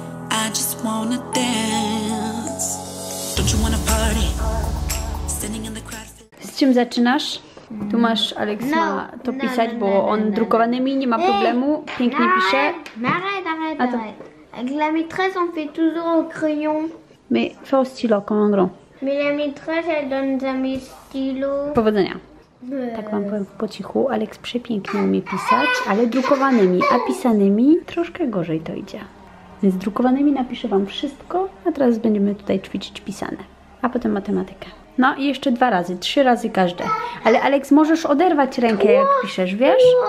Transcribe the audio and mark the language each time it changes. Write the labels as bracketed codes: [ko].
[en] I just wanna dance. Don't you wanna party? Standing in the crowd. [pl] Z czym zaczynasz? Tu masz Aleks ma to pisać, bo on drukowanymi nie ma problemu. Pięknie pisze. [fr] Arrête. La maîtresse, on fait toujours au crayon. Mais fais au stylo, comme en gros. Mais la maîtresse, elle donne jamais stylo. [pl] Powodzenia. Tak wam powiem po cichu. Aleks przepięknie umie pisać, ale drukowanymi, a pisanymi troszkę gorzej to idzie. Więc drukowanymi napiszę wam wszystko, a teraz będziemy tutaj ćwiczyć pisane. A potem matematykę. No i jeszcze 2 razy, 3 razy każde. Ale Aleks, możesz oderwać rękę jak piszesz, wiesz?